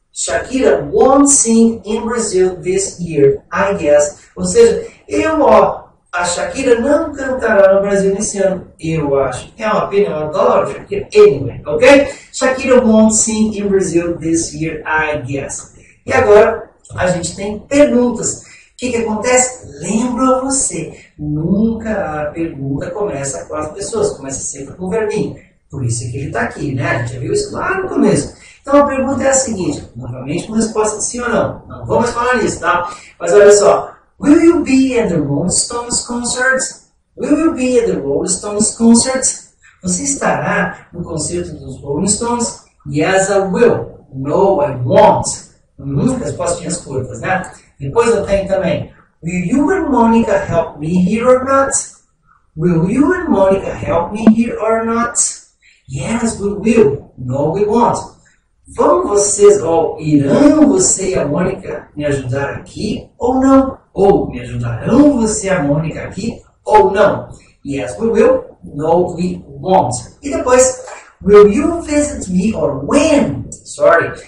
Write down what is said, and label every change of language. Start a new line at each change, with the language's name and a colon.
English: Shakira won't sing in Brazil this year, I guess.
Portuguese: Ou seja, a Shakira não cantará no Brasil nesse ano, eu acho. É uma pena, eu adoro Shakira.
English: Anyway, ok? Shakira won't sing in Brazil this year, I guess.
Portuguese: E agora a gente tem perguntas. O que que acontece? Lembra você, nunca a pergunta começa com as pessoas, começa sempre com o verbinho. Por isso que ele está aqui, né? A gente já viu isso lá no começo. Então a pergunta é a seguinte: novamente com resposta de sim ou não. Não vamos falar nisso, tá? Mas olha só.
English: Will you be at the Rolling Stones concert? Will you be at the Rolling Stones concert?
Portuguese: Você estará no concerto dos Rolling Stones?
English: Yes, I will. No, I won't.
Portuguese: Respostinhas curtas, né? Depois eu tenho também.
English: Will you and Monica help me here or not? Will you and Monica help me here or not? Yes, we will. No, we won't.
Portuguese: Vão vocês, ou irão você e a Mônica me ajudar aqui ou não? Ou me ajudarão você e a Mônica aqui ou não?
English: Yes, we will. No, we won't.
Portuguese: E depois,
English: will you visit me or when? Sorry.